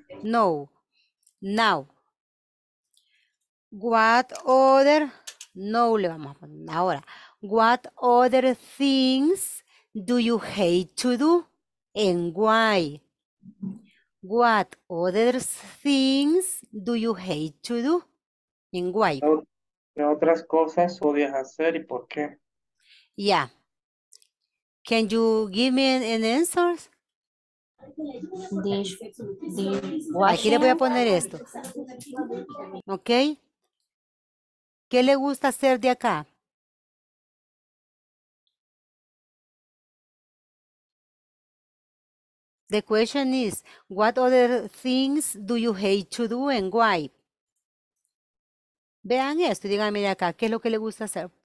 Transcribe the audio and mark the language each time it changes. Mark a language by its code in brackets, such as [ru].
[en] No. Now, what other, [es] no le vamos a poner ahora, [en] what other things do you hate to do and why? What other things do you hate to do and why? [es] ¿Qué otras cosas odias hacer y por qué? [en] Yeah. Can you give me an answer? [es] Aquí le voy a poner esto. Ok. ¿Qué le gusta hacer de acá? [en] The question is, what other things do you hate to do and why? [es] Vean esto, díganme de acá, ¿qué es lo que le gusta hacer?